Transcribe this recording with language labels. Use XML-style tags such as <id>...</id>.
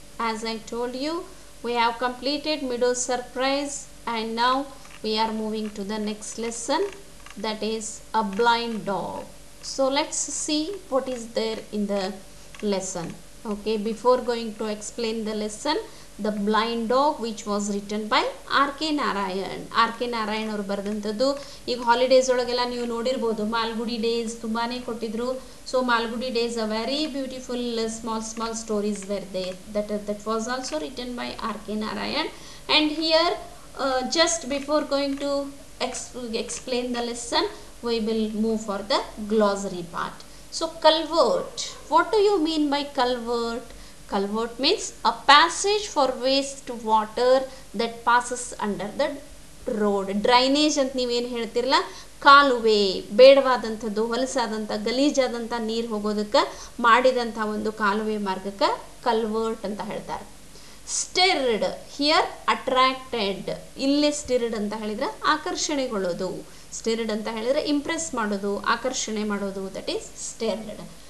<en>As I told you, we have completed Meadow Surprise and now we are moving to the next lesson, that is A Blind Dog. So let's see what is there in the lesson. Okay, before going to explain the lesson, The Blind Dog, which was written by R.K. Narayan</en> <kn>ಅವರು ಬರೆದಂಥದ್ದು. ಈಗ holidays ಒಳಗೆಲ್ಲ ನೀವು ನೋಡಿರ್ಬೋದು, Malgudi days ತುಂಬಾ ಕೊಟ್ಟಿದ್ರು.</kn> <en>So Malgudi days a very beautiful small small stories were there, that was also written by R.K. Narayan. And here just before going to explain the lesson, we will move for the glossary part. So culvert, what do you mean by culvert? Culvert means a passage for waste water that passes under the road.</en> <kn>Drainage ಅಂತ ನೀವೇನು ಹೇಳ್ತಿರಲ್ಲ, ಕಾಲುವೆ, ಬೇಡವಾದಂಥದ್ದು, ಹೊಲಸಾದಂಥ, ಗಲೀಜಾದಂಥ ನೀರು ಹೋಗೋದಕ್ಕೆ ಮಾಡಿದಂಥ ಒಂದು ಕಾಲುವೆ ಮಾರ್ಗಕ್ಕೆ culvert ಅಂತ ಹೇಳ್ತಾರೆ. ಸ್ಟಿರ್ಡ್,</kn> <en>here attracted,</en> <kn>ಇಲ್ಲಿ ಸ್ಟಿರ್ಡ್ ಅಂತ ಹೇಳಿದರೆ ಆಕರ್ಷಣೆಗೊಳ್ಳೋದು, ಸ್ಟಿರ್ಡ್ ಅಂತ ಹೇಳಿದರೆ ಇಂಪ್ರೆಸ್ ಮಾಡೋದು, ಆಕರ್ಷಣೆ ಮಾಡೋದು,</kn> <en>That is stirred.</en>